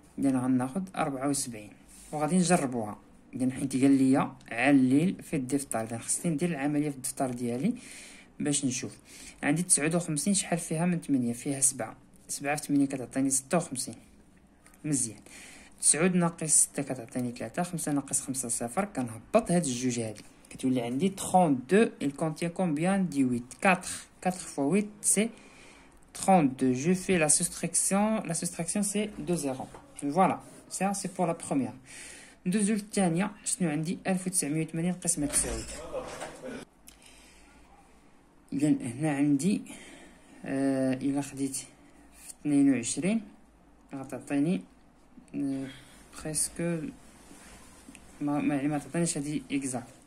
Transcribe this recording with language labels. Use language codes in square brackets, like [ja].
[ar] يعني غناخذ 74 وغادي نجربوها. يعني حيت قال لي علل في الدفتر، يعني خصني ندير العمليه في الدفتر ديالي باش نشوف. عندي 59 شحال فيها من 8؟ فيها 7، 7 في 8 كتعطيني 56. مزيان، 9 ناقص 6 كتعطيني 3، 5 ناقص 5 0، كنهبط هاد الجوج هادي كتولي عندي 32. [fr] il contient combien de 8؟ 4، 4 x 8 c'est 32. je fais la soustraction, la soustraction c'est 20. voilà, ça c'est pour la première. [ar] الدوزو الثانية شنو عندي؟ 1980 قسمة 9. إذن هنا عندي إلا خديت في 22 غتعطيني بريسكو ما يعني ما تعطينيش هادي إكزاكت.